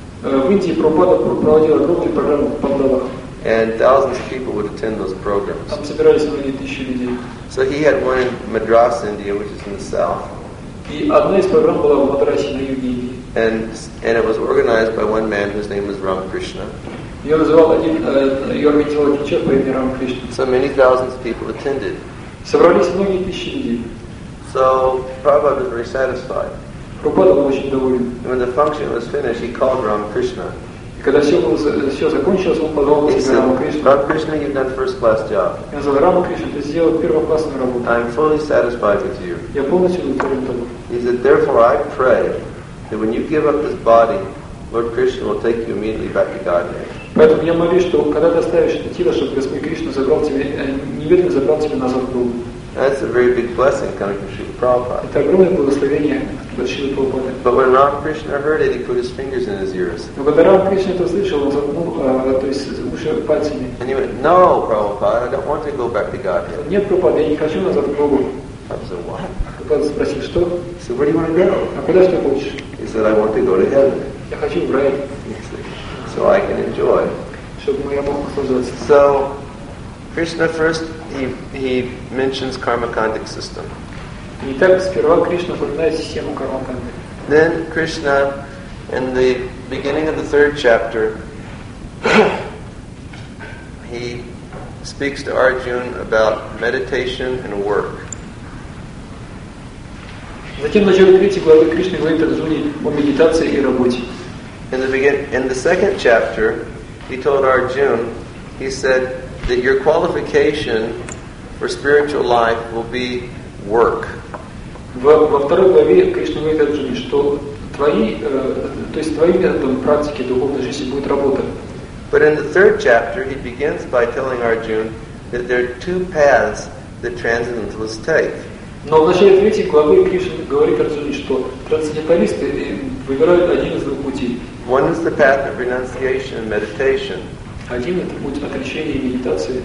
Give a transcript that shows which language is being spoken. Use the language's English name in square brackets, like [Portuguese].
[Russian] В Индии Прабхупада проводил огромные программы в Пандалах. [English] And thousands of people would attend those programs. [Russian] Там собирались многие тысячи людей. [English] So he had one in Madras, India, which is in the south. [Russian] И одна из программ была в Мадрасе, на юге Индии. [English] And it was organized by one man whose name was Ramakrishna. [Russian] Её называл один, её организовал один человек по имени Рамакришна. [English] So many thousands of people attended. [Russian] Собрались многие тысячи людей. [English] So Prabhupada was very satisfied. [Russian] Прабхупада был очень доволен. [English] And when the function was finished, he called Ramakrishna. [Russian] Когда все закончилось, он позвал Рамакришну. [English] Рамакришна, you've done first-class job. [Russian] Я сказал, Рамакришна, ты сделал первоклассную работу. [English] I'm fully satisfied with you. [Russian] Я полностью удовлетворен тобой. [English] He said, therefore I pray that when you give up this body, Lord Krishna will take you immediately back to Godhead. [Russian] Поэтому я молюсь, что когда ты оставишь это тело, чтобы Господь Кришна забрал тебя, немедленно забрал тебя назад в Голову. [English] That's a very big blessing coming from Srila Prabhupada. [Russian] Это огромное благословение. [English] But when Ramakrishna heard it, he put his fingers in his ears. And he went, no, Prabhupada, I don't want to go back to Godhead. [Russian] Нет, Прабхупада, я не хочу назад к Богу. [English] I said, what? [Russian] Прабхупада спросил, что? [English] He said, where do you want to go? [Russian] А куда ты хочешь? [English] He said, I want to go to heaven. [Russian] Я хочу в рай. [English] So I can enjoy. [Russian] Чтобы моя мама наслаждалась. [English] So Krishna first he mentions karmakandic system. [Russian] Итак, сперва Кришна упоминает систему кармаканды. [English] Then Krishna, in the beginning of the third chapter, he speaks to Arjuna about meditation and work. [Russian] Затем в начале третьей главы Кришна говорит Арджуне о медитации и работе. [English] In the second chapter, he told Arjuna, he said that your qualification for spiritual life will be work. [Russian] Во второй главе Кришна говорит Арджуне, что твои, то есть твои методы практики духовной жизни будет работа. [English] But in the third chapter, he begins by telling Arjuna that there are two paths that transcendentalists take. [Russian] Но в начале третьей главы Кришна говорит Арджуне, что трансценденталисты выбирают один из двух путей. [English] One is the path of renunciation and meditation. [Russian] Один это путь отречения и медитации.